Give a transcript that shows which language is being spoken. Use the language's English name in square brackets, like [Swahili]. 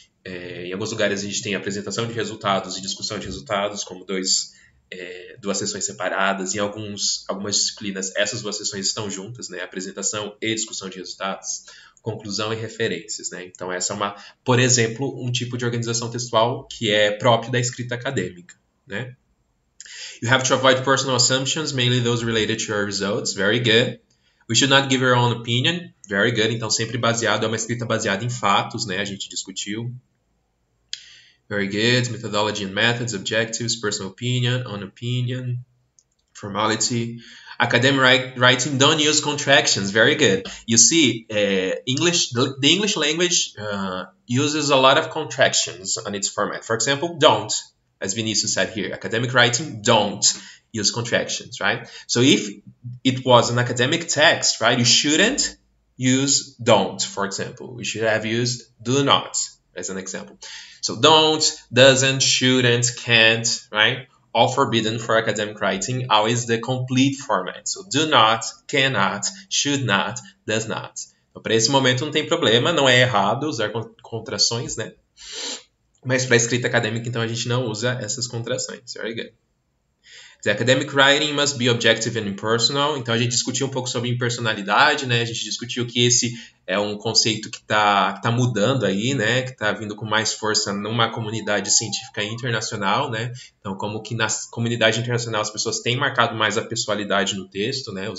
[Portuguese] Em alguns lugares a gente tem apresentação de resultados e discussão de resultados, como dois. Duas sessões separadas, em algumas disciplinas, essas duas sessões estão juntas, né? Apresentação e discussão de resultados, conclusão e referências, né? Então, essa é uma, por exemplo, um tipo de organização textual que é próprio da escrita acadêmica, né? [English] You have to avoid personal assumptions, mainly those related to your results. Very good. We should not give our own opinion. Very good. [Portuguese] Então, sempre baseado, é uma escrita baseada em fatos, né? A gente discutiu. [English] Very good. Methodology and methods, objectives, personal opinion, own opinion, formality. Academic writing, don't use contractions. Very good. You see, the English language uses a lot of contractions on its format. For example, don't, as Vinicius said here. Academic writing, don't use contractions, right? So if it was an academic text, right, you shouldn't use don't, for example. You should have used do not, as an example. So don't, doesn't, shouldn't, can't, right? All forbidden for academic writing, always the complete format. So do not, cannot, should not, does not. [Portuguese] Então, para esse momento não tem problema, não é errado usar contrações, né? Mas para escrita acadêmica, então a gente não usa essas contrações. [English] Very good. The academic writing must be objective and impersonal. [Portuguese] Então a gente discutiu um pouco sobre impersonalidade, né? A gente discutiu que esse é um conceito que tá mudando aí, né? Que tá vindo com mais força numa comunidade científica internacional, né? Então, como que na comunidade internacional as pessoas têm marcado mais a pessoalidade no texto, né?